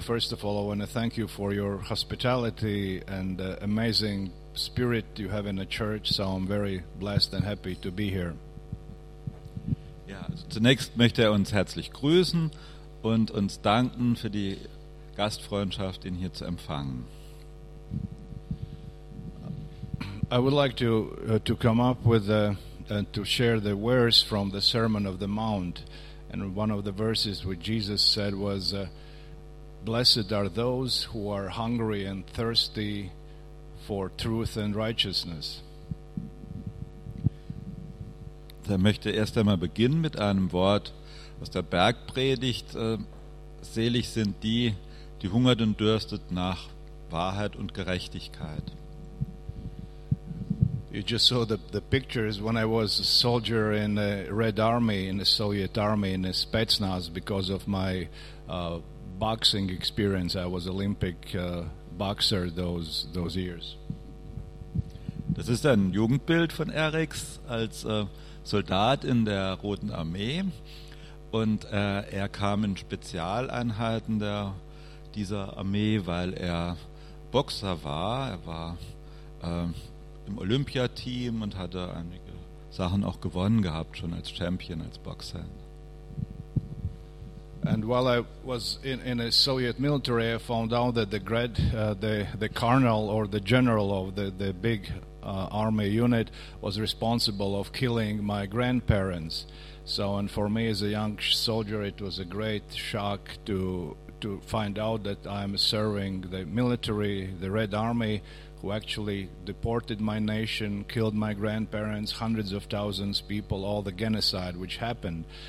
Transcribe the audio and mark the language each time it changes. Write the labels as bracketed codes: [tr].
[en] First of all, I want to thank you for your hospitality and the amazing spirit you have in the church. So I'm very blessed and happy to be here. [de] Ja, also zunächst möchte er uns herzlich grüßen und uns danken für die Gastfreundschaft, ihn hier zu empfangen. [en] I would like to come up with and to share the words from the Sermon of the Mount. And one of the verses which Jesus said was, blessed are those who are hungry and thirsty for truth and righteousness. [de] Da möchte erst einmal beginnen mit einem Wort aus der Bergpredigt. Selig sind die, die hungert und dürstet nach Wahrheit und Gerechtigkeit. [en] You just saw the pictures when I was a soldier in the Red Army, in the Soviet Army, in the Spetsnaz, because of my boxing experience. I was Olympic boxer those years. [de] Das ist ein Jugendbild von Eriks als Soldat in der Roten Armee. Und er kam in Spezialeinheiten dieser Armee, weil er Boxer war. Er war im Olympiateam und hatte einige Sachen auch gewonnen gehabt, schon als Champion, als Boxer. [en] And while I was in a Soviet military, I found out that the colonel or the general of the big army unit was responsible of killing my grandparents. So, and for me as a young soldier, it was a great shock to find out that I'm serving the military, the Red Army, who actually deported my nation, killed my grandparents, hundreds of thousands of people, all the genocide which happened.